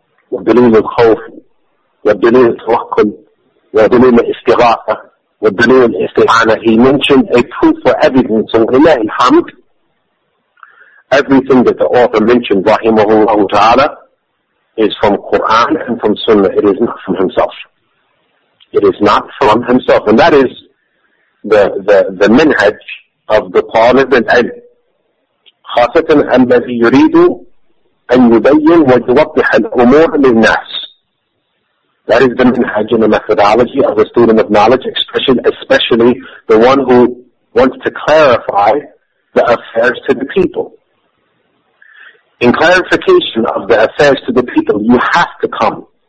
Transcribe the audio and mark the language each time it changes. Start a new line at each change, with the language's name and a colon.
Arabic: والدليل الخوف والدليل التوكل والدليل الاستغاثة والدليل الاستعانة.
English: He mentioned a proof for everything. So
Arabic: لله الحمد,
English: everything that the author mentioned
Arabic: رحمه الله تعالى
English: is from Quran and from Sunnah. It is not from himself. It is not from himself. And that is the
Arabic: منهج of the طالب العلم, خاصة الذي يريد أن يبين ويوضح الأمور للناس.
English: That is the manhaj and the methodology of a student of knowledge, especially the one who wants to clarify the affairs to the people. In clarification of the affairs to the people, you have to come.